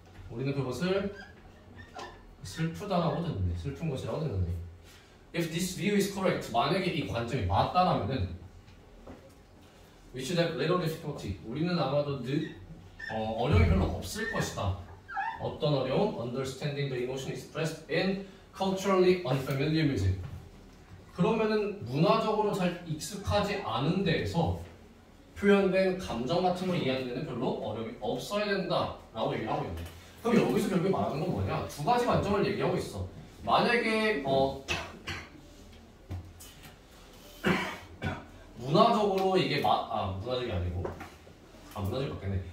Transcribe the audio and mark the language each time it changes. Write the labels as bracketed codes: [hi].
[ko] 우리는 그것을 슬프다라고 듣는데, 슬픈 것이라고 듣는데. [en] If this view is correct, [ko] 만약에 이 관점이 맞다라면은 [en] we should have little difficulty. [ko] 우리는 아마도 어려움이 별로 없을 것이다. 어떤 어려움? [en] Understanding the emotion expressed in culturally unfamiliar music. [ko] 그러면은 문화적으로 잘 익숙하지 않은 데에서 표현된 감정 같은 걸 이해하는 데는 별로 어려움이 없어야 된다라고 얘기를 하고 있는데. 그럼 여기서 결국 말하는 건 뭐냐? 두 가지 관점을 얘기하고 있어. 만약에 문화적으로 이게 문화적이 아니고 문화적 같겠네.